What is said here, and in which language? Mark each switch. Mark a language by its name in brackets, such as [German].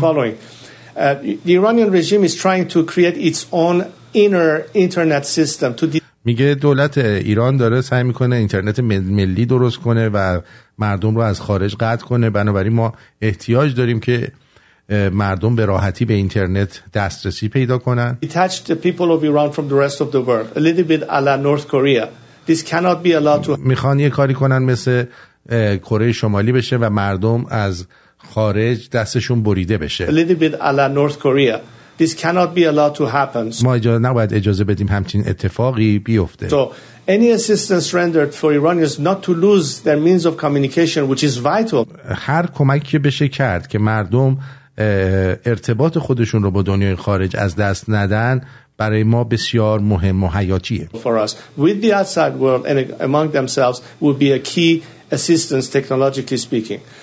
[English] Following, the Iranian regime is trying to create its own inner internet system to. [Persian] میگه دولت ایران داره سعی میکنه اینترنت ملی درست کنه و مردم رو از خارج قطع کنه، بنابراین ما احتیاج داریم که مردم به راحتی به اینترنت دسترسی پیدا کنن. [English] Detached the people of Iran from the rest of the world a little bit a la North Korea. This cannot be allowed to. [Persian] میخوان یه کاری کنن مثل کره شمالی بشه و مردم از خارج دستشون بریده بشه. [English] A little bit a la North Korea. This cannot be allowed to happen. [Persian] ما نباید اجازه بدیم همچین اتفاقی بیفته. [English] So any assistance rendered for Iranians not to lose their means of communication, which is vital. [Persian] هر کمکی که بشه کرد که مردم ارتباط خودشون رو با دنیای خارج از دست ندن برای ما بسیار مهم و حیاتیه. [English] For us, with the outside world and among themselves, would be a key assistance, technologically speaking.